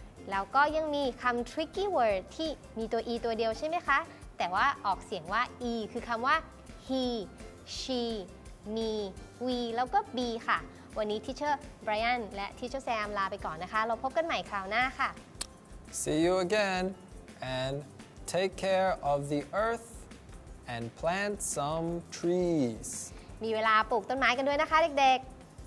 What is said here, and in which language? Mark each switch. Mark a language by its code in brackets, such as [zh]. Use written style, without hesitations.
[th] แล้วก็ยังมีคำ tricky word ที่มีตัว e ตัวเดียวใช่ไหมคะแต่ว่าออกเสียงว่า e คือคำว่า he she me we แล้วก็ be ค่ะวันนี้ teacher Brian และ teacher Sam ลาไปก่อนนะคะเราพบกันใหม่คราวหน้าค่ะ [en] see you again and take care of the earth and plant some trees [th] มีเวลาปลูกต้นไม้กันด้วยนะคะเด็กๆ